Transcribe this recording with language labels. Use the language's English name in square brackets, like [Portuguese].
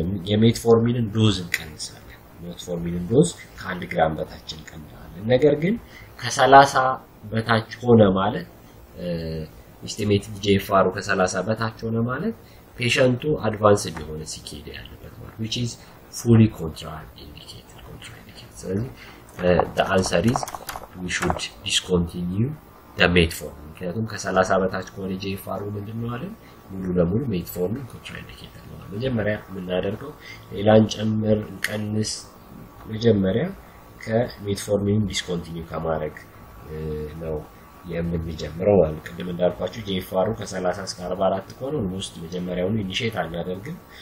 [Amharic] የሜትፎርሚንን ዶዝ እንቀንሳለን። ሜትፎርሚንን ዶዝ ከአንድ ግራም በታች እንቀንሳለን። ነገር ግን ከ30 በታች ሆነ ማለት ኢስቲሜትድ ጂኤፍአሩ ከ30 በታች ሆነ ማለት ፔሸንቱ አድቫንስድ የሆነ ሲኬዲ ያለበት ማለት [English] which is fully contraindicated. [Amharic] ስለዚህ [English] the answer is we should discontinue the metformin. [Amharic] ከዚህም ከ30 በታች ከሆነ ጂኤፍአሩ ምንድነው አለ? ሙሉ ለሙሉ ሜትፎርሚን ኮንትራኢንዲኬተር ነው። መጀመሪያ ምናደርገው ሌላን ጨምር እንቀንስ። መጀመሪያ ከሜትፎርሚን ዲስኮንቲኒው ከማድረግ ነው የምንጀምረው። አሁን ቅድም እንዳልኳችሁ ጂኤፍአሩ ከ30 እስከ 44 ከሆነ ኦልሞስት መጀመሪያውኑ ኢኒሼት አናደርግም።